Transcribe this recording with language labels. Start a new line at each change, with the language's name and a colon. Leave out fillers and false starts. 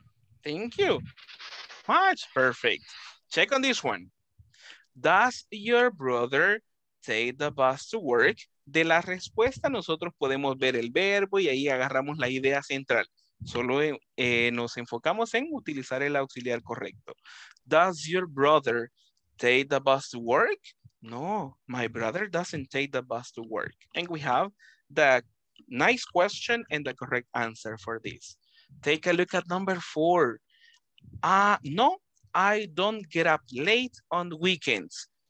English: Does your brother take the bus to work? Thank you. Much perfect. Check on this one. Does your brother take the bus to work?
Spanish: De la respuesta nosotros podemos ver el verbo y ahí agarramos la idea central. Solo nos enfocamos en utilizar el auxiliar correcto.
English: Does your brother take the bus to work? No, my brother doesn't take the bus to work. And we have the nice question and the correct answer for this. Take a look at number four. No, I don't get up late on weekends.